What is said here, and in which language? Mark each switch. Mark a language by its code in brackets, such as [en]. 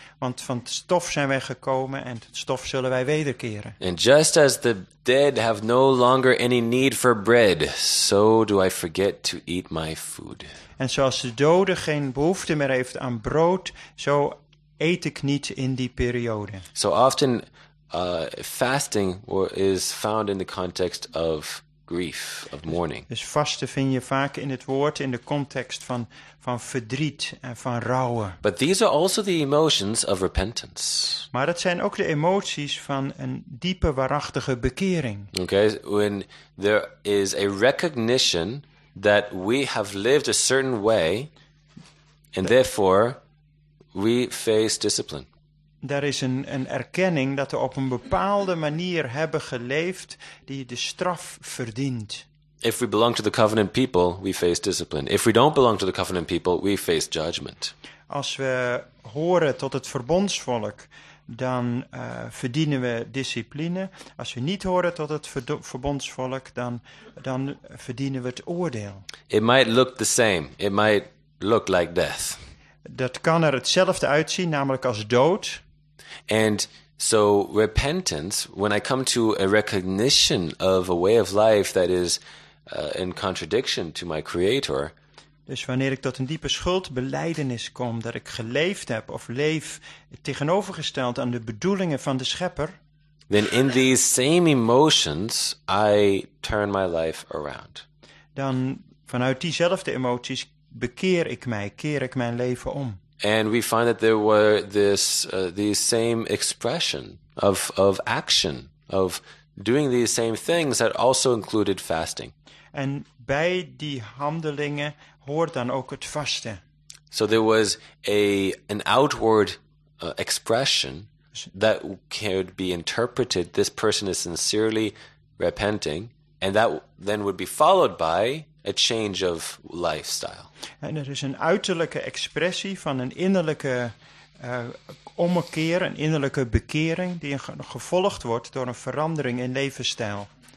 [nl] Want van het stof zijn wij gekomen en het stof zullen wij wederkeren. [en] And just as the dead have no longer any need for bread, so do I forget to eat my food. [nl] En zoals de dode geen behoefte meer heeft aan brood, zo eet ik niet in die periode. [en] So often fasting is found in the context of grief, of mourning. [nl] Dus vasten vind je vaak in het woord in de context van verdriet en van rouwen. [en] But these are also the emotions of repentance. [nl] Maar dat zijn ook de emoties van een diepe, waarachtige bekering. [en] Okay, when there is a recognition that we have lived a certain way and therefore we face discipline. [nl] Daar is een erkenning dat we op een bepaalde manier hebben geleefd die de straf verdient. [en] If we belong to the covenant people, we face discipline. If we don't belong to the covenant people, we face judgment. [nl] Als we horen tot het verbondsvolk, dan verdienen we discipline. Als we niet horen tot het verbondsvolk, dan verdienen we het oordeel. [en] It might look the same. It might look like death. [nl] Dat kan er hetzelfde uitzien, namelijk als dood. [en] And so repentance, when I come to a recognition of a way of life that is in contradiction to my creator. [nl] Dus wanneer ik tot een diepe schuldbelijdenis kom, dat ik geleefd heb of leef tegenovergesteld aan de bedoelingen van de schepper. [en] Then in these same emotions, I turn my life around. [nl] Dan vanuit diezelfde emoties bekeer ik mij, keer ik mijn leven om. [en] And we find that there were these same expression of action, of doing these same things that also included fasting. [nl] En bij die handelingen hoort dan ook het vasten. [en] So there was an outward expression that could be interpreted, this person is sincerely repenting, and that then would be followed by a change of lifestyle. [nl] En er is een uiterlijke expressie van een innerlijke ommekeer, een innerlijke bekering die gevolgd wordt door een verandering in levensstijl.